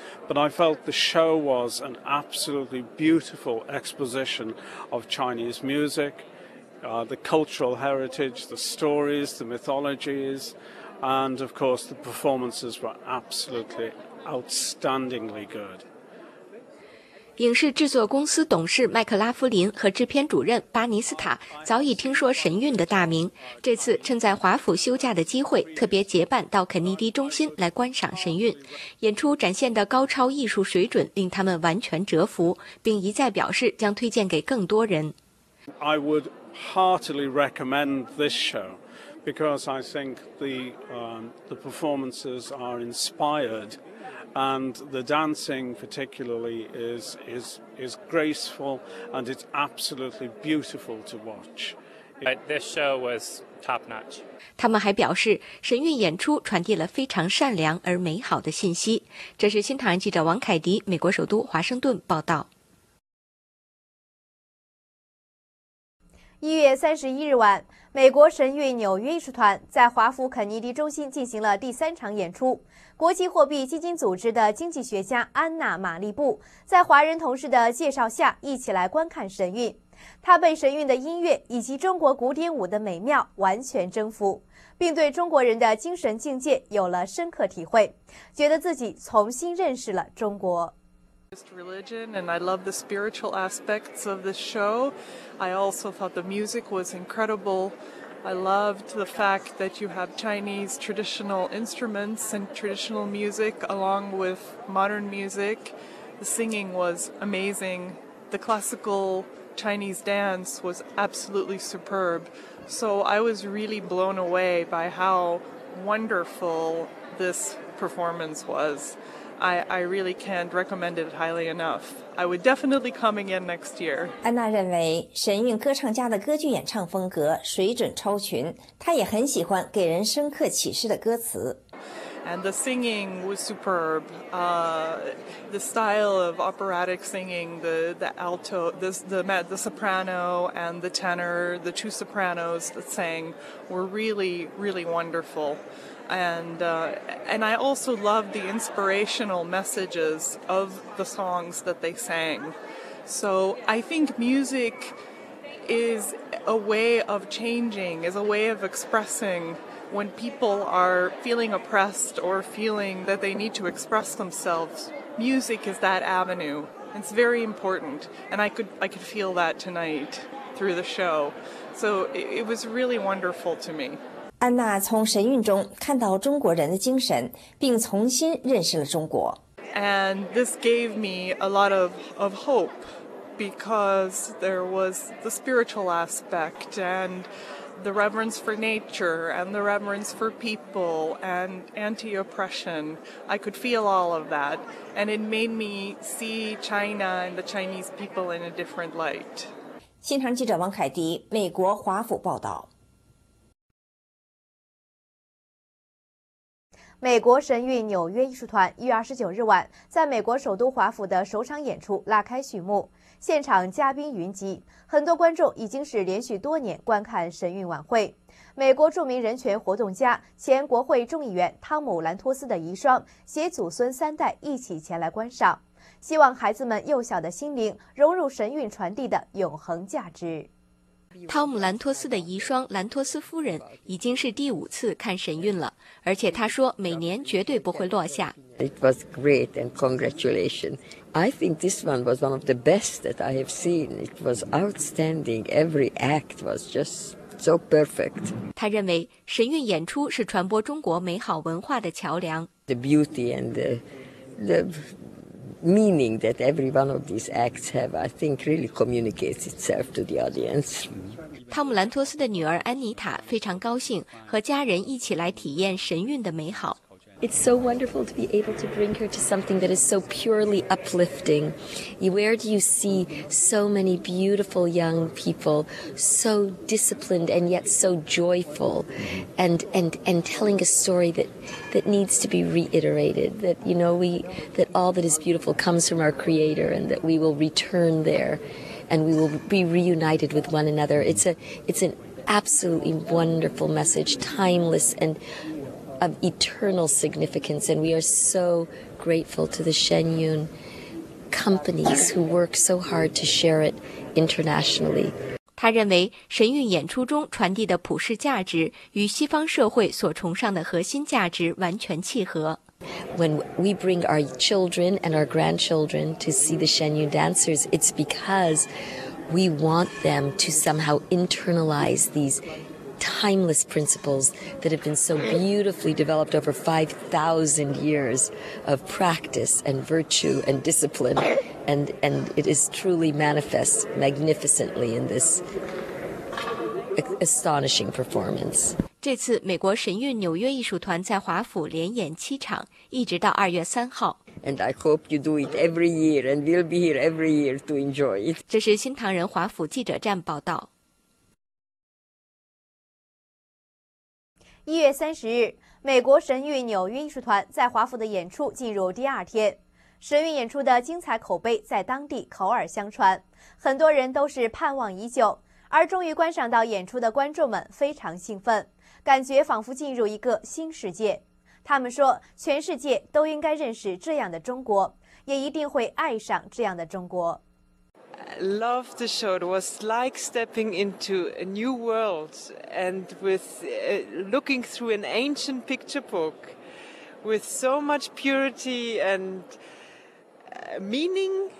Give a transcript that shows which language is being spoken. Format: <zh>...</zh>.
<en>But I felt the show was an absolutely beautiful exposition of Chinese music, the cultural heritage, the stories, the mythologies, and of course the performances were absolutely outstandingly good.</en> <zh>影视制作公司董事麦克拉夫林和制片主任巴尼斯塔早已听说神韵的大名，这次趁在华府休假的机会特别结伴到肯尼迪中心来观赏神韵演出，展现的高超艺术水准令他们完全折服，并一再表示将推荐给更多人。</zh> <en>I would heartily recommend this show because I think the performances are inspiredAnd the dancing particularly is graceful, and it's absolutely beautiful to watch. But this show was top notch.</en> <zh>他们还表示，神韵演出传递了非常善良而美好的信息。这是新唐人记者王凯迪，美国首都华盛顿报道。 1月31日晚，美国神韵纽约艺术团在华府肯尼迪中心进行了第三场演出。国际货币基金组织的经济学家安娜·玛丽布在华人同事的介绍下一起来观看神韵。她被神韵的音乐以及中国古典舞的美妙完全征服，并对中国人的精神境界有了深刻体会，觉得自己重新认识了中国。</zh> <en>Religion, and I love the spiritual aspects of the show. I also thought the music was incredible. I loved the fact that you have Chinese traditional instruments and traditional music along with modern music. The singing was amazing. The classical Chinese dance was absolutely superb. So I was really blown away by how wonderful this performance was. I really can't recommend it highly enough. I would definitely come again next year.</en> <zh>安娜认为神韵歌唱家的歌剧演唱风格水准超群，她也很喜欢给人深刻启示的歌词。</zh> <en>And the singing was superb. The style of operatic singing, the alto, the soprano and the tenor, the two sopranos that sang were really, really wonderful. And I also love the inspirational messages of the songs that they sang. So I think music is a way of changing, is a way of expressing when people are feeling oppressed or feeling that they need to express themselves. Music is that avenue. It's very important. And I could feel that tonight through the show. So it was really wonderful to me.</en> <zh>安娜从神韵中看到中国人的精神，并重新认识了中国。</zh> <en>And this gave me a lot of hope because there was the spiritual aspect and the reverence for nature and the reverence for people and anti-oppression. I could feel all of that and it made me see China and the Chinese people in a different light.</en> <zh>现场记者王凯迪，美国华府报道。美国神韵纽约艺术团1月29日晚在美国首都华府的首场演出拉开序幕，现场嘉宾云集，很多观众已经是连续多年观看神韵晚会。美国著名人权活动家、前国会众议员汤姆·兰托斯的遗孀携祖孙三代一起前来观赏，希望孩子们幼小的心灵融入神韵传递的永恒价值。汤姆·兰托斯的遗孀兰托斯夫人已经是第五次看神韵了，而且她说每年绝对不会落下。</zh> <en>It was great and congratulations. I think this one was one of the best that I have seen. It was outstanding. Every act was just so perfect.</en> <zh>她认为神韵演出是传播中国美好文化的桥梁。</zh> <en>The beauty and the meaning that every one of these acts have, I think, really communicates itself to the audience.</en> <zh>汤姆·兰托斯的女儿安妮塔非常高兴和家人一起来体验神韵的美好。</zh> <en>It's so wonderful to be able to bring her to something that is so purely uplifting. Where do you see so many beautiful young people, so disciplined and yet so joyful, and telling a story that needs to be reiterated, that, you know, that all that is beautiful comes from our Creator and that we will return there and we will be reunited with one another. It's an absolutely wonderful message, timeless and... of eternal significance, and we are so grateful to the Shenyun companies who work so hard to share it internationally.</en> <zh>他认为神韵演出中传递的普世价值与西方社会所崇尚的核心价值完全契合。</zh> <en>When we bring our children and our grandchildren to see the Shenyun dancers, it's because we want them to somehow internalize these. Timeless principles that have been so beautifully developed over 5,000 years of practice and virtue and discipline, and it is truly manifest magnificently in this astonishing performance.</en> <zh>这次美国神韵纽约艺术团在华府连演七场，一直到2月3号。</zh> <en>And I hope you do it every year, and we'll be here every year to enjoy it.</en> <zh>这是新唐人华府记者站报道。 1月30日，美国神韵纽约艺术团在华府的演出进入第二天。神韵演出的精彩口碑在当地口耳相传，很多人都是盼望已久，而终于观赏到演出的观众们非常兴奋，感觉仿佛进入一个新世界。他们说，全世界都应该认识这样的中国，也一定会爱上这样的中国。</zh> <en>Love the show. It was like stepping into a new world and with looking through an ancient picture book with so much purity and meaning.</en>